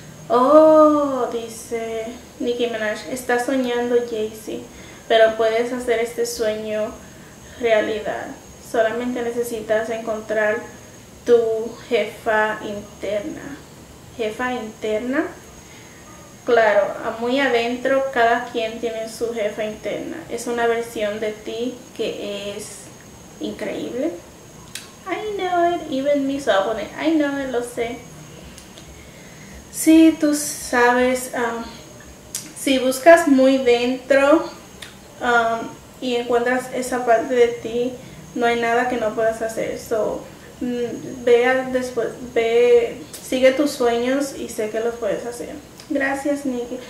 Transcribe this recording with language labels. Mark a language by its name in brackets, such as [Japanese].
[Spanish] Oh, dice Nicki Minaj, está soñando Jeisi, pero puedes hacer este sueño realidad. Solamente necesitas encontrar tu jefa interna. Jefa interna. Claro, muy adentro cada quien tiene su jefa interna. Es una versión de ti que es increíble. [English] I know it, even me, so I'll put it. I know it, [Spanish] lo sé. Sí, tú sabes, si buscas muy dentro y encuentras esa parte de ti, no hay nada que no puedas hacer. So, ve, sigue tus sueños y sé que los puedes hacer. Gracias, Nicki.